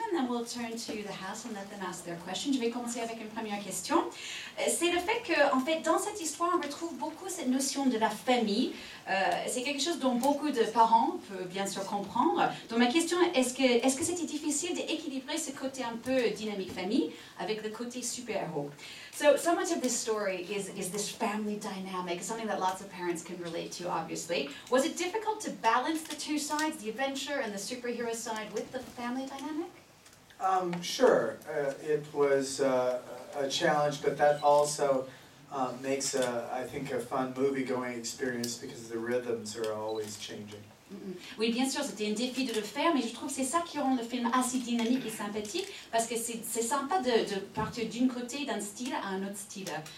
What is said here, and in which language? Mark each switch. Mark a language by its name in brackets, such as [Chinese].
[English] We'll turn to the house and let them ask their questions. [French] Je vais commencer avec une première question. C'est le fait que, en fait, dans cette histoire, on retrouve beaucoup cette notion de la famille. C'est quelque chose dont beaucoup de parents peuvent bien sûr comprendre. Donc ma question, est-ce que c'était difficile d'équilibrer ce côté un peu dynamique famille avec le côté super-héros? [English] So much of this story is this family dynamic, something that lots of parents can relate to, obviously. Was it difficult to balance the two sides, the adventure and the superhero side, with the family dynamic? Sure, it was a challenge, but that also makes, I think, a fun movie-going experience because the rhythms are always changing. [French] Oui, bien sûr, c'était un défi de le faire, mais je trouve que c'est ça qui rend le film assez dynamique et sympathique, parce que c'est sympa de partir d'un côté, d'un style à un autre style.